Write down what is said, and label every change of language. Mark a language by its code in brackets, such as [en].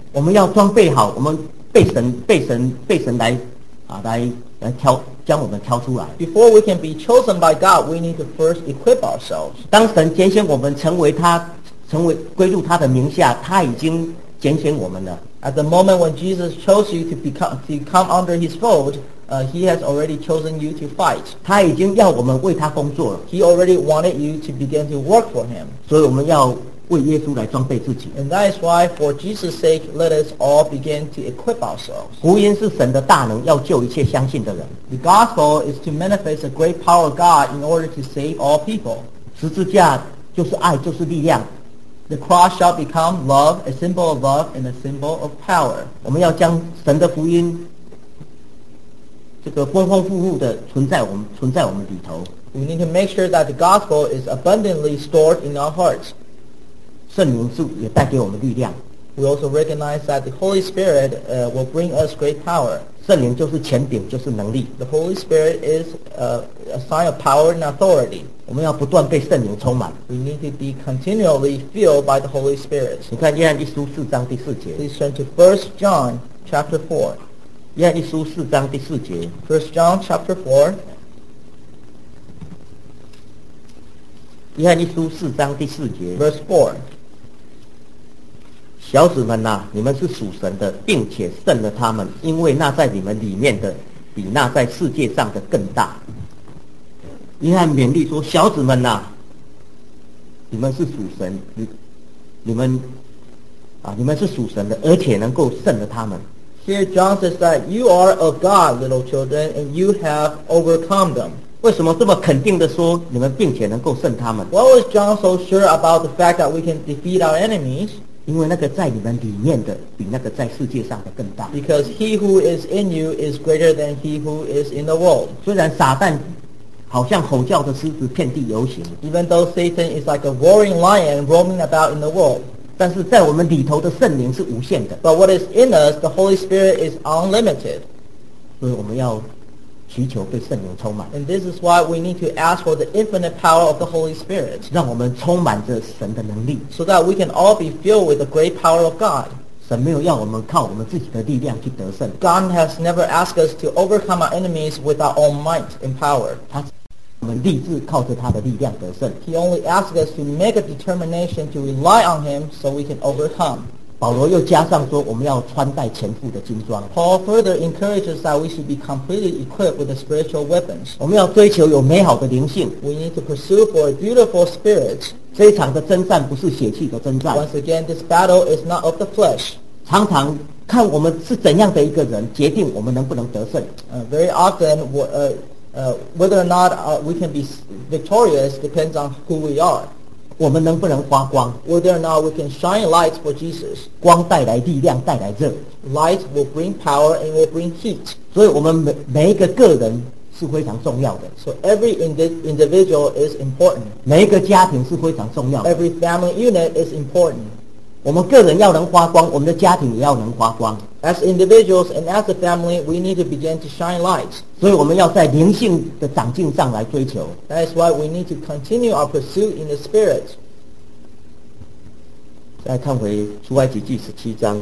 [zh] 我们要装备好，我们被神来挑，将我们挑出来。 [en] Before we can be chosen by God, we need to first equip ourselves. [zh] 当神拣选我们成为归入他的名下，他已经拣选我们了。 [en] At the moment when Jesus chose you to come under his fold,He has already chosen you to fight. [zh] 他已经要我们为他工作了。 [en] He already wanted you to begin to work for him. [zh] 所以我们要为耶稣来装备自己。 [en] And that is why, for Jesus' sake, let us all begin to equip ourselves. [zh] 福音是神的大能，要救一切相信的人。 [en] The gospel is to manifest the great power of God in order to save all people. [zh] 十字架就是爱，就是力量。 [en] The cross shall become love, a symbol of love and a symbol of power. [zh] 我们要将神的福音这个丰丰富富的存在我们里头。 [en] We need to make sure that the gospel is abundantly stored in our hearts. [zh] 圣灵是也带给我们力量。 [en] We also recognize that the Holy Spirit, will bring us great power. [zh] 圣灵就是权柄，就是能力。 [en] The Holy Spirit is, a sign of power and authority. [zh] 我们要不断被圣灵充满。 [en] We need to be continually filled by the Holy Spirit. [zh] 你看约翰一书四章第四节。 [en] Please turn to 1 John chapter 4. [zh] 约翰一书四章第四节。 [en] First John chapter four。 [zh] 约翰一书四章第四节。 [en] Verse four。 [zh] 小子们啊，你们是属神的，并且胜了他们，因为那在你们里面的比那在世界上的更大。约翰勉励说，小子们啊，你们是属神，你们是属神的，而且能够胜了他们。 [en] Here John says that you are of God, little children, and you have overcome them. [zh] 为什么这么肯定的说你们并且能够胜他们？ [en] Why was John so sure about the fact that we can defeat our enemies? [zh] 因为那个在你们里面的比那个在世界上的更大。 [en] Because he who is in you is greater than he who is in the world. [zh] 虽然撒旦好像吼叫的狮子遍地游行， [en] Even though Satan is like a roaring lion roaming about in the world. [zh] 但是在我们里头的圣灵是无限的。 [en] But what is in us, the Holy Spirit is unlimited. [zh] 所以我们要祈求被圣灵充满。 [en] And this is why we need to ask for the infinite power of the Holy Spirit. [zh] 让我们充满着神的能力。 [en] So that we can all be filled with the great power of God. [zh] 神没有要我们靠我们自己的力量去得胜。 [en] God has never asked us to overcome our enemies with our own might and power. [zh] 我们立志靠着他的力量得胜。 [en] He only asks us to make a determination to rely on him so we can overcome. [zh] 保罗又加上说，我们要穿戴全副的军装。 [en] Paul further encourages that we should be completely equipped with the spiritual weapons. [zh] 我们要追求有美好的灵性。 [en] We need to pursue for a beautiful spirit. [zh] 这一场的征战不是血气的征战。 [en] Once again, this battle is not of the flesh. [zh] 常常看我们是怎样的一个人，决定我们能不能得胜。 [en] Very often, whether or not we can be victorious depends on who we are. [zh] 我们能不能发光？ [en] Whether or not we can shine light for Jesus. [zh] 光带来力量，带来热。 [en] Light will bring power and will bring heat. [zh] 所以我们每一个个人是非常重要的。 [en] So every individual is important. [zh] 每一个家庭是非常重要的。 [en] Every family unit is important. [zh] 我们个人要能发光，我们的家庭也要能发光。 [en] As individuals and as a family, we need to begin to shine light. [zh] 所以我们要在灵性的长进上来追求。 [en] That is why we need to continue our pursuit in the spirit. [zh] 再看回出埃及记十七章。